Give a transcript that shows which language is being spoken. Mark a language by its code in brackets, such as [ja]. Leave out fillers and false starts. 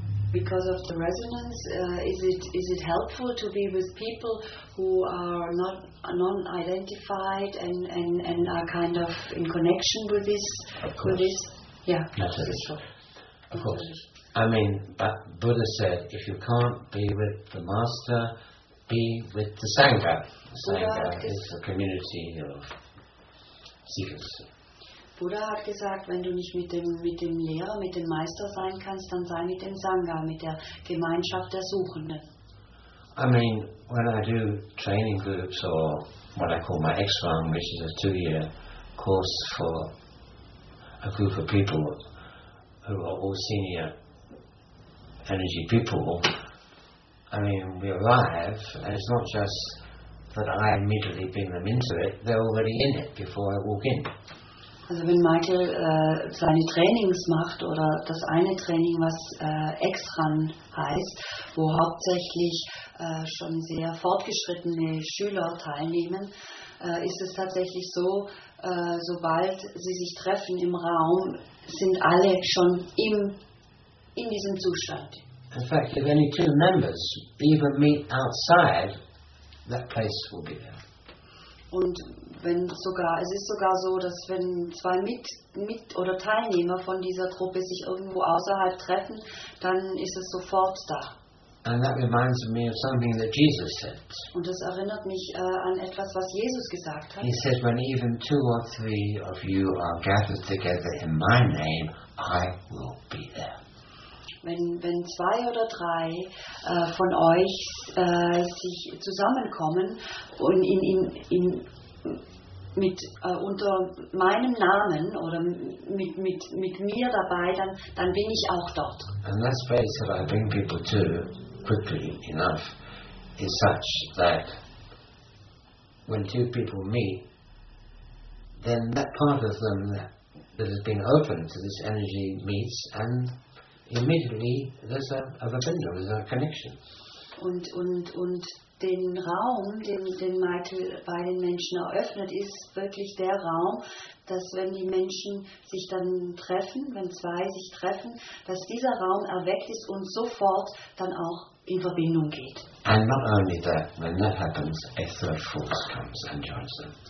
[en] Because of the resonance, is it helpful to be with people who are not non-identified and are kind of in connection with this? Of course. With this? Yeah. Absolutely. Of course. I mean, but Buddha said, if you can't be with the master, be with the Sangha. The Sangha is a community of seekers. [de] Buddha hat gesagt, wenn du nicht mit dem Lehrer, mit dem Meister sein kannst, dann sei mit dem Sangha, mit der Gemeinschaft der Suchenden. [en] I mean, when I do training groups or what I call my X-Wing, which is a 2-year course for a group of people who are all senior energy people, I mean, we arrive, and it's not just that I immediately bring them into it, they're already in it before I walk in. [de] Also wenn Michael seine Trainings macht oder das eine Training, was X-Ran heißt, wo hauptsächlich schon sehr fortgeschrittene Schüler teilnehmen, ist es tatsächlich so, sobald sie sich treffen im Raum, sind alle schon in diesem Zustand. [en] In fact, if only two members even meet outside, that place will be there. [de] Und wenn sogar, es ist sogar so, dass wenn zwei Mit- oder Teilnehmer von dieser Gruppe sich irgendwo außerhalb treffen, dann ist es sofort da. [en] And that reminds me of something that Jesus said. [de] Und das erinnert mich an etwas, was Jesus gesagt hat. [en] He said, when even two or three of you are gathered together in my name, I will be there. [de] Wenn zwei oder drei von euch sich zusammenkommen und unter meinem Namen oder mit mir dabei, dann bin ich auch dort. [en] And that space that I bring people to quickly enough is such that when two people meet, then that part of them that has been open to this energy meets and immediately there's a verbindung, there's a connection. [de] Und den Raum, den Michael bei den Menschen eröffnet, ist wirklich der Raum, dass wenn die Menschen sich dann treffen, wenn zwei sich treffen, dass dieser Raum erweckt ist und sofort dann auch in Verbindung geht. [en] And not only that, when that happens, a third force comes and joins them.